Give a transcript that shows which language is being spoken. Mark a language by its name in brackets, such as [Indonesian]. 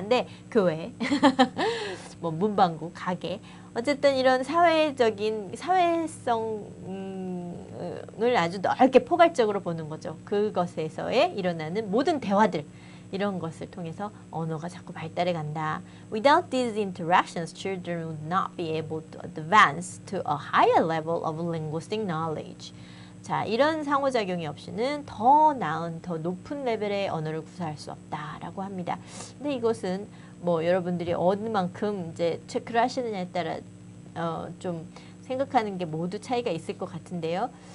[Korean] 근데 교회 뭐 문방구 가게 어쨌든 이런 사회적인 사회성을 아주 넓게 포괄적으로 보는 거죠. 그것에서의 일어나는 모든 대화들 이런 것을 통해서 언어가 자꾸 발달해 간다. [English] Without these interactions, children would not be able to advance to a higher level of linguistic knowledge. [Korean] 자, 이런 상호작용이 없이는 더 나은, 더 높은 레벨의 언어를 구사할 수 없다라고 합니다. 근데 이것은 뭐 여러분들이 어느 만큼 이제 체크를 하시느냐에 따라 좀 생각하는 게 모두 차이가 있을 것 같은데요.